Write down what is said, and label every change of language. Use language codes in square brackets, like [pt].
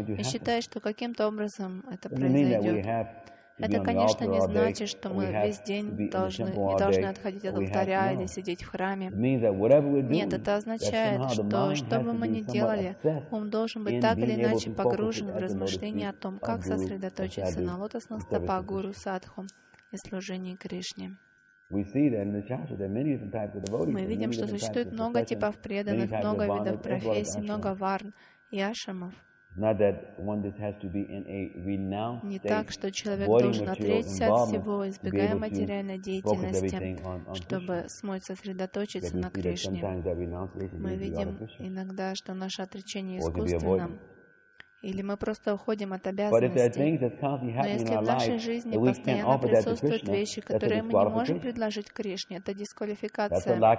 [ru] И считая, что каким-то образом это произойдет. Это, конечно, не значит, что мы весь день не должны отходить от алтаря или сидеть в храме. Нет, это означает, что что бы мы ни делали, ум должен быть так или иначе погружен в размышления о том, как сосредоточиться на лотосных стопах Гуру Садху и служении Кришне. [en] We see that in the chapter there are many different types of devotees. [ru] Мы видим, что существует много типов преданных, много видов профессий, много варн и ашрамов. [en] Not that one just has to be in a renounced state. [ru] Не так, что человек должен отречься от всего, избегая материальной деятельности, чтобы смочь сосредоточиться на Кришне. Мы видим иногда, что наше отречение искусственно. Или мы просто уходим от обязанностей. Но если в нашей жизни постоянно присутствуют вещи, которые мы не можем предложить Кришне, это дисквалификация.